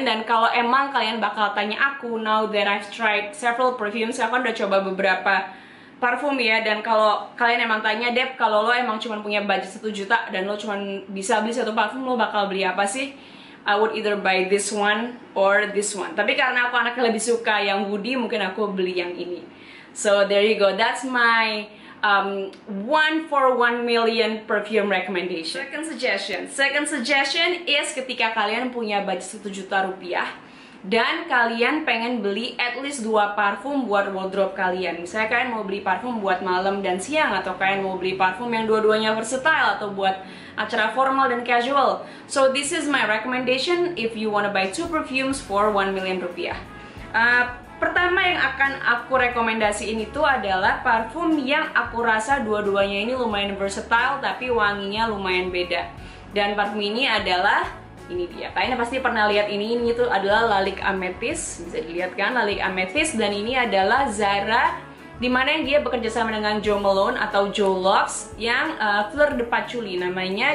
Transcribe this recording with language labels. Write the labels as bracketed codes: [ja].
[id] Dan kalau emang kalian bakal tanya aku, [en] now that I've tried several perfumes, [id] aku udah coba beberapa parfum ya. Dan kalau kalian emang tanya, Dep, kalau lo emang cuma punya budget 1 juta dan lo cuma bisa beli satu parfum, lo bakal beli apa sih? [en] I would either buy this one or this one. [id] Tapi karena aku anaknya lebih suka yang woody, mungkin aku beli yang ini. [en] So there you go, that's my one for 1 million perfume recommendation. Second suggestion is [id] ketika kalian punya budget 1 juta rupiah dan kalian pengen beli [en] at least [id] 2 parfum buat wardrobe kalian. Misalnya kalian mau beli parfum buat malam dan siang, atau kalian mau beli parfum yang dua-duanya versatile, atau buat acara formal dan casual. [en] So this is my recommendation if you wanna buy 2 perfumes for 1 million rupiah. [id] Pertama yang akan aku rekomendasiin itu adalah parfum yang aku rasa dua-duanya ini lumayan versatile tapi wanginya lumayan beda. Dan parfum ini adalah, ini dia, kalian pasti pernah lihat ini tuh adalah Lalique Amethyst. Bisa dilihat kan, Lalique Amethyst, dan ini adalah Zara, dimana dia bekerja sama dengan Jo Malone atau Jo Loves, yang Fleur de Patchouli namanya.